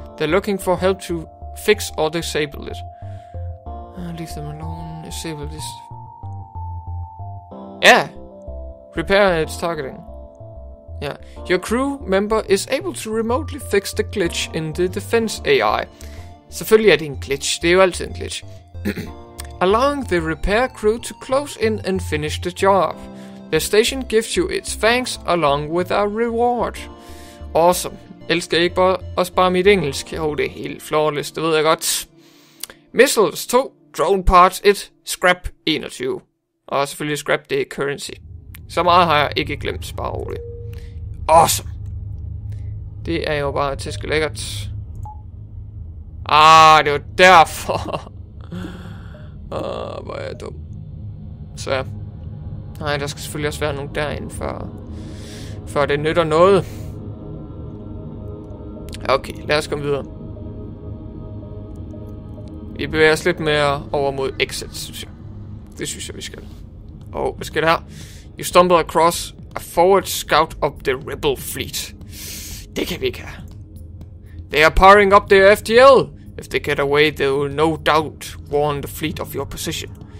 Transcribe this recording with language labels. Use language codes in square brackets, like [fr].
[en] They're looking for help to fix or disable it. Leave them alone, disable this. Yeah! Repair its targeting. Yeah. Your crew member is able to remotely fix the glitch in the defense AI. [da] Selvfølgelig er det en glitch, det er jo altid en glitch. [en] Allowing the repair crew to close in and finish the job. The station gives you its thanks along with a reward. Awesome. [da] Elsker ikke bare at spare mit engelsk? Jo, det er helt flawless, det ved jeg godt. [en] Missiles 2, drone parts 1, scrap 21. [da] Og selvfølgelig scrap det currency. Så meget har jeg ikke glemt, bare roligt. Awesome! Det er jo bare tæske lækkert. Ah, det var derfor. Ah, hvor er jeg dum. Så ja. Nej, der skal selvfølgelig også være nogen derinde, før det nytter noget. Okay, lad os komme videre. Vi bevæger os lidt mere over mod exit, synes jeg. Det synes jeg, vi skal. Og hvad skal det her? [en] You stumbled across a forward scout of the rebel fleet. [da] Det kan vi ikke have. [en] They are powering up their FTL. If they get away, they will no doubt warn the fleet of your position.